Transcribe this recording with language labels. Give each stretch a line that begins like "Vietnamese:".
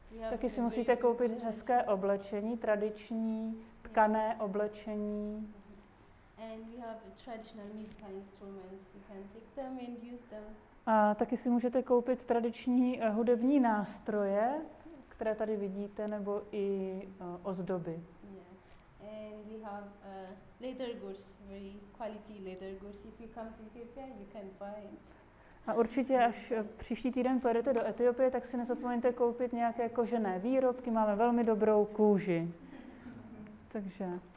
Czech: Taky si musíte koupit hezké oblečení, tradiční tkané oblečení.
English: And you have traditional musical instruments. You can take them and use them.
Czech: A taky si můžete koupit tradiční hudební nástroje, které tady vidíte, nebo i ozdoby.
English: Yeah. And we have leather goods, very quality leather goods. If you come to Ethiopia, you can buy.
Czech: A určitě, až příští týden pojedete do Etiopie, tak si nezapomeňte koupit nějaké kožené výrobky. Máme velmi dobrou kůži. Takže.